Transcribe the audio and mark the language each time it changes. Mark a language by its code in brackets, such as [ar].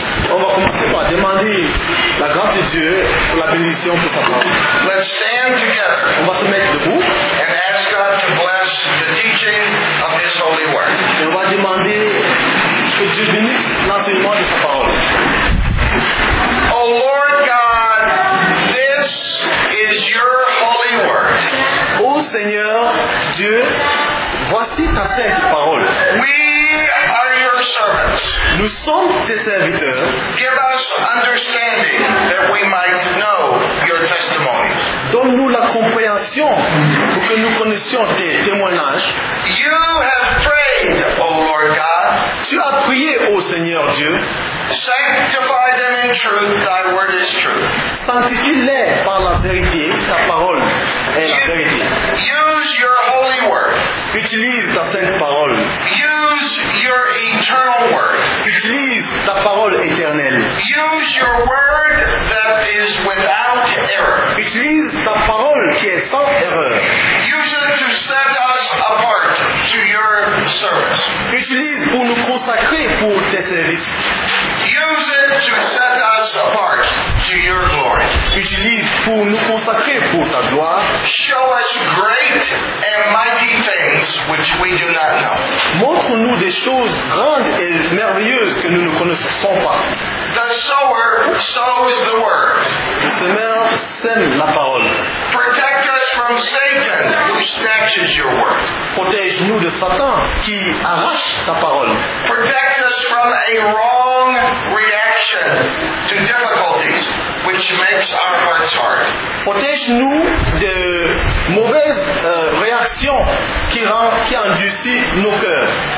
[fr] On va commencer par demander la grâce de Dieu pour la bénédiction pour sa parole. [en] Let's stand together. [fr] On va se mettre debout. [en] And ask God to bless the teaching of his holy word. [fr] On va demander que Dieu bénisse l'enseignement de sa parole. [en] Oh Lord God, this is your holy word. [fr] Oh Seigneur Dieu, voici ta sainte parole. [en] We are your servants. [fr] Nous sommes tes serviteurs. [en] Give us understanding that we might know your testimonies. [fr] Donne-nous la compréhension pour que nous connaissions tes témoignages. [en] You have prayed, O Lord God. [fr] Tu as prié, ô Seigneur Dieu. [en] Sanctify them in truth, thy word is truth. [fr] Sanctifie-les par la vérité, ta parole est la vérité. [en] Use your holy word. [fr] Utilise ta sainte parole. [en] Use your eternal word. [fr] Utilise ta parole éternelle. [en] your word that is without error. [fr] Utilise ta parole qui est sans erreur. [en] Use it to set us apart to your service. [fr] Utilise pour nous consacrer pour tes services. [en] Use it to set us apart to your glory. [fr] Utilise pour nous consacrer pour ta gloire. [en] Show us great and mighty things which we do not know. [fr] Montre-nous des choses grandes et merveilleuses que nous ne connaissons pas. [en] The sower sows the word. [fr] Le semeur sème la parole. [en] Protect us from Satan who snatches your word. [fr] Protège-nous de Satan qui arrache ta parole. [en] Protect us from a wrong reaction to difficulties which makes our hearts hard. [fr] Protège-nous de mauvaises réactions qui endurcit nos cœurs.